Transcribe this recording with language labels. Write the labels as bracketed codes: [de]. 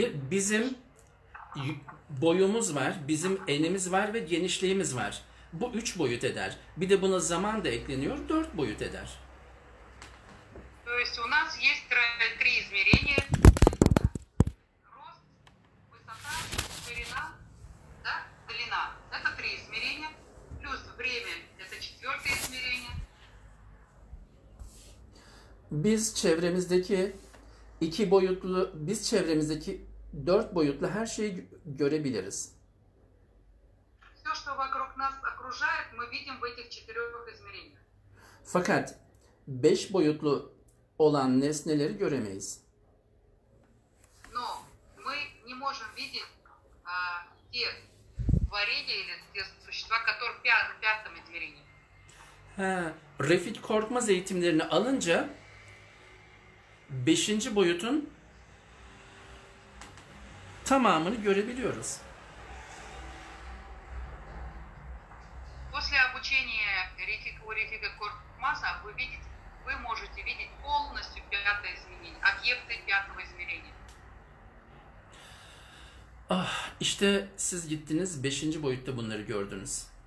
[tr] Bizim boyumuz var, bizim enimiz var ve genişliğimiz var. Bu 3 boyut eder. Bir de buna zaman da ekleniyor, 4 boyut eder. [ru] То есть у нас есть три измерения. Рост, высота, ширина, да, длина. Это три измерения. Плюс время, это четвертое измерение. [tr] Biz çevremizdeki 4 boyutlu her şeyi görebiliriz. [ru] Всё, что вокруг нас окружает, мы видим в этих четырёх измерениях. [tr] Fakat 5 boyutlu olan nesneleri göremeyiz. [ru] Но мы не можем видеть те творения или те существа, которые в пятом измерении. [tr] Ha, Refik Korkmaz eğitimlerini alınca 5. boyutun tamamını görebiliyoruz. [ru] После обучения Рефика Корпмаза вы можете видеть полностью пятое измерение, объекты пятого измерения. [tr] Ah, işte siz gittiniz, beşinci boyutta bunları gördünüz.